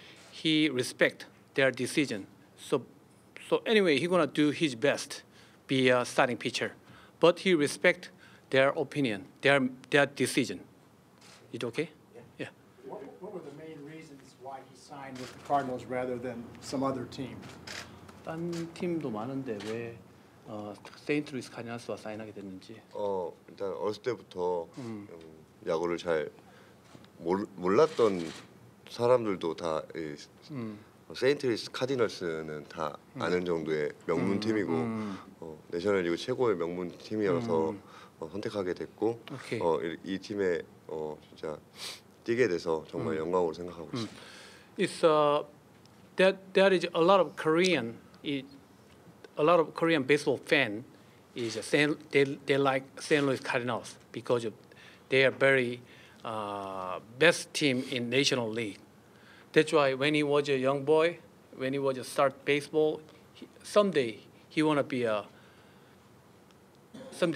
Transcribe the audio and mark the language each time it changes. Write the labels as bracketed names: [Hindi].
[English] He respect their decision. So anyway, he gonna do his best, be a starting pitcher. But he respect their opinion, their decision. It okay? Yeah. What were the main reasons why he signed with the Cardinals rather than some other team? [Korean] 다른 팀도 많은데 왜 St. Louis Cardinals와 사인하게 됐는지. 일단 어렸을 때부터 야구를 잘 몰랐던 사람들도 다 세인트 루이스 카디널스는 다 아는 정도의 명문 팀이고 내셔널 리그 최고의 명문 팀이어서 선택하게 됐고 이 팀에 진짜 뛰게 돼서 정말 영광으로 생각하고 있습니다. [English] That is a lot of Korean baseball fan is they like St. Louis Cardinals because they are very best team in National League. That's why when he was a young boy, when he was a start baseball, someday he wanna be a St.